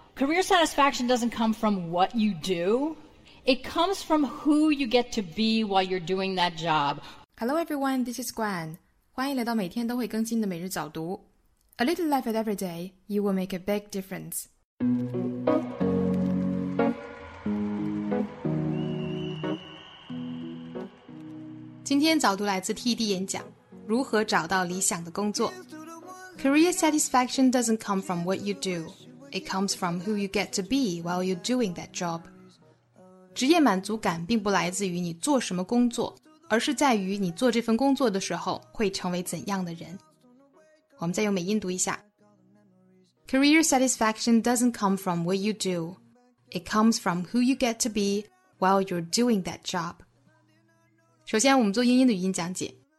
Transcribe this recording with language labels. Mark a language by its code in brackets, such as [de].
[en] Career satisfaction doesn't come from what you do. It comes from who you get to be while you're doing that job. Hello everyone, this is Gwen. [zh] 欢迎来到每天都会更新的每日早读。 [en] A little effort every day, you will make a big difference. Career satisfaction doesn't come from what you do. It comes from who you get to be while you're doing that job. [zh] 职业满足感并不来自于你做什么工作，而是在于你做这份工作的时候会成为怎样的人。我们再用美音读一下。 [en] Career satisfaction doesn't come from what you do. It comes from who you get to be while you're doing that job. [zh] 首先我们做英音的语音讲解。